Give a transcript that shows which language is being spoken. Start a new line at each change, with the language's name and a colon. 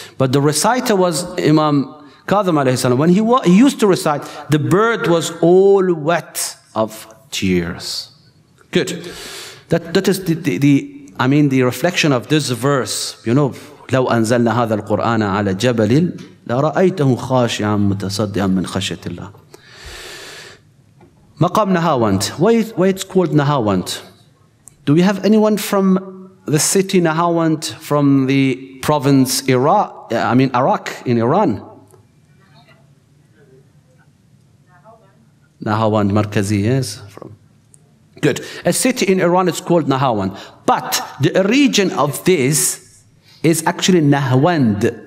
English: But the reciter was Imam Kadhim alayhi salam. When he used to recite, the bird was all wet of tears. Good. That is the reflection of this verse. You know,
Arabic: لو أنزلنا هذا القرآن على جبل لرأيته خاشعا متصدعا من خشية الله. مقام نهاوند.
English: Why it's called نهاوند? Do we have anyone from the city Nahawand, from the province Iraq in Iran? Nahawand Markazi, yes. Good. A city in Iran is called Nahawand. But the region of this is actually Nahawand.